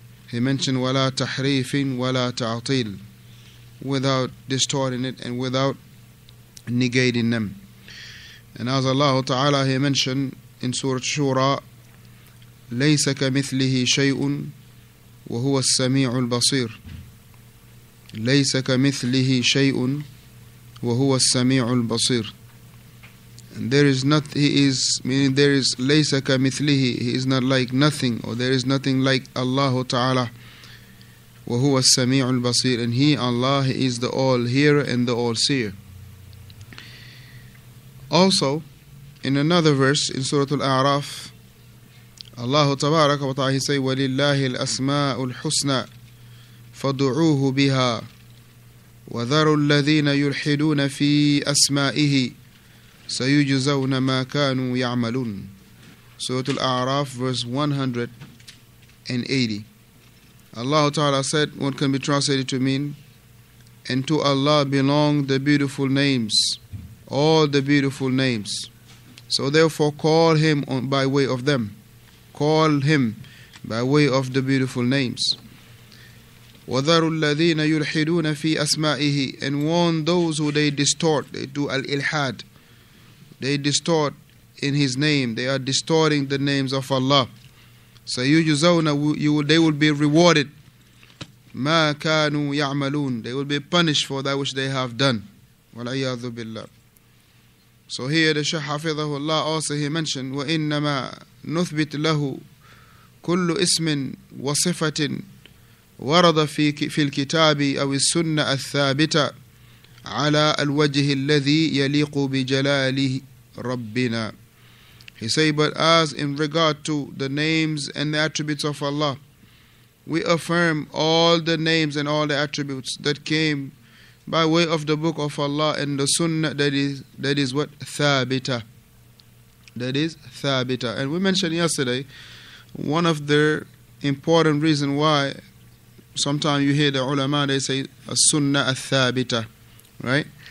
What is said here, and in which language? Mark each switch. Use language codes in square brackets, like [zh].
[en] He mentioned [ar] wala tahreefin wala ta'atil, [en] without distorting it and without negating them. And as Allah Ta'ala, he mentioned in Surah Shura, [ar] لَيْسَ كَمِثْلِهِ شَيْءٌ وَهُوَ السَّمِيعُ الْبَصِيرُ لَيْسَ كَمِثْلِهِ شَيْءٌ وَهُوَ السَّمِيعُ الْبَصِيرُ. [en] And there is not, he is, meaning there is, [ar] لَيْسَ كَمِثْلِهِ, [en] he is not like nothing, or there is nothing like Allah Ta'ala, [ar] وَهُوَ السَّمِيعُ الْبَصِيرُ, [en] and he, Allah, he is the all-hearer and the all-seer. Also, in another verse in Surah Al-A'raf, Allah Tabaraka wa Ta'ala say, [ar] وَلِلَّهِ الْأَسْمَاءُ الْحُسْنَى فَدُعُوهُ بِهَا وَذَرُوا الَّذِينَ يُلْحِدُونَ فِي أَسْمَائِهِ سَيُجْزَوْنَ مَا كَانُوا يَعْمَلُونَ. [en] Surah Al-A'raf, verse 180. Allah Ta'ala said, what can be translated to mean, and to Allah belong the beautiful names, all the beautiful names. So therefore, call him on by way of them. Call him by way of the beautiful names. [ar] وَذَرُوا الَّذِينَ يُلْحِدُونَ فِي أَسْمَائِهِ, [en] and warn those who they distort, they do al-ilhad, they distort in his name, they are distorting the names of Allah. So يُجْزَوْنَ, they will be rewarded. [ar] مَا كَانُوا يَعْمَلُونَ, [en] they will be punished for that which they have done. [ar] وَالْعِيَاذُ بِاللَّهِ. [en] So here the Shaykh Hafidhahu Allah also, he mentioned, [ar] وَإِنَّمَا نُثْبِتْ لَهُ كُلُّ إِسْمٍ وَصِفَةٍ وَرَضَ فِي الْكِتَابِ أَوِ السُّنَّةَ الثَّابِتَ عَلَى الْوَجِهِ الَّذِي يَلِيقُ بِجَلَالِهِ رَبِّنَا. [en] He said, but as in regard to the names and the attributes of Allah, we affirm all the names and all the attributes that came by way of the book of Allah and the sunnah, that is what? Thabita. That is thabita. And we mentioned yesterday, one of the important reasons why sometimes you hear the ulama, they say, a sunnah al-thabita, right?